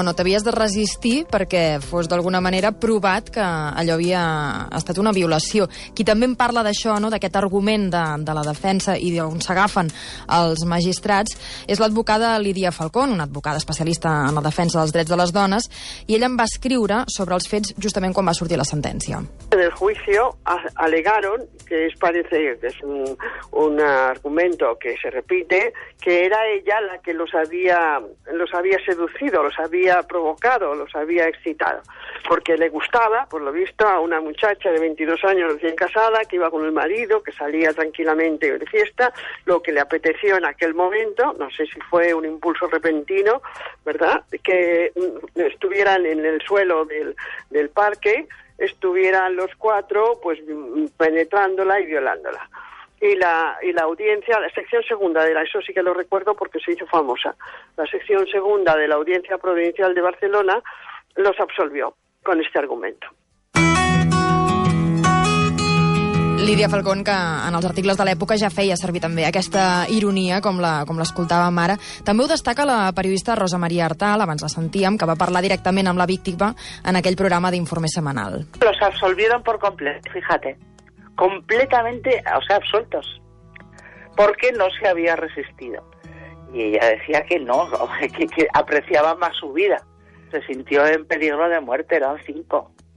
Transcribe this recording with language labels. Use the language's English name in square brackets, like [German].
[Catalan] No, t'havies de resistir perquè fos d'alguna manera provat que allò havia estat una violació. Qui també en parla d'això, no?, d'aquest argument de la defensa i d'on s'agafen els magistrats, és l'advocada Lídia Falcón, una advocada especialista en la defensa dels drets de les dones, i ella em va escriure sobre els fets justament quan va sortir la sentència. [Spanish] En el juicio alegaron que es parece que es un argumento que se repite, que era ella la que los había seducido, los había provocado, los había excitado, porque le gustaba, por lo visto, a una muchacha de 22 años recién casada, que iba con el marido, que salía tranquilamente de fiesta, lo que le apeteció en aquel momento, no sé si fue un impulso repentino, ¿verdad?, que estuvieran en el suelo del parque, estuvieran los cuatro, pues, penetrándola y violándola. Y la audiencia, la sección segunda de la, eso sí que lo recuerdo porque se hizo famosa, la sección segunda de la Audiencia Provincial de Barcelona los absolvió con este argumento. [Catalan] Lídia Falcón, que en els articles de l'època ja feia servir també aquesta ironia, com l'escoltàvem ara. També ho destaca la periodista Rosa Maria Artal, abans la sentíem, que va parlar directament amb la víctima en aquell programa d'informe setmanal. [Spanish] Los absolvieron por completo, fíjate. Completamente, o sea, absueltos, porque no se había resistido. Y ella decía que no, que apreciaba más su vida. Se sintió en peligro de muerte, eran 5.